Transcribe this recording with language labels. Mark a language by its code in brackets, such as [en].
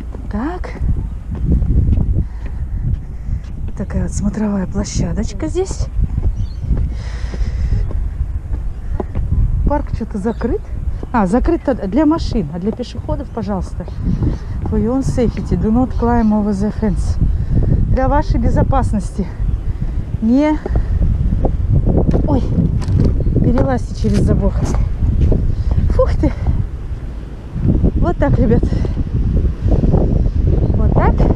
[ru] Так. Такая вот смотровая площадочка здесь. Парк что-то закрыт. А, закрыт для машин, а для пешеходов, пожалуйста. [en] For your safety, do not climb over the fence. [ru] Для вашей безопасности. Не... Ой. перелазьте через забор. Фух ты! Вот так, ребят. Вот так.